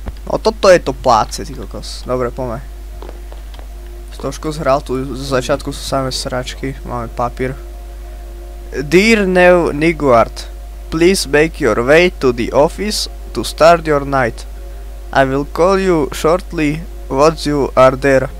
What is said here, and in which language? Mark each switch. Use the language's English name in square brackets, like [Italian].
[Slovak] No toto je to pláce, ty kokos. Dobre, poďme. Trošku zhral, tu z začiatku sú samé sračky, máme papír. [English] Dear Neu Niguard, please make your way to the office to start your night. I will call you shortly once you are there.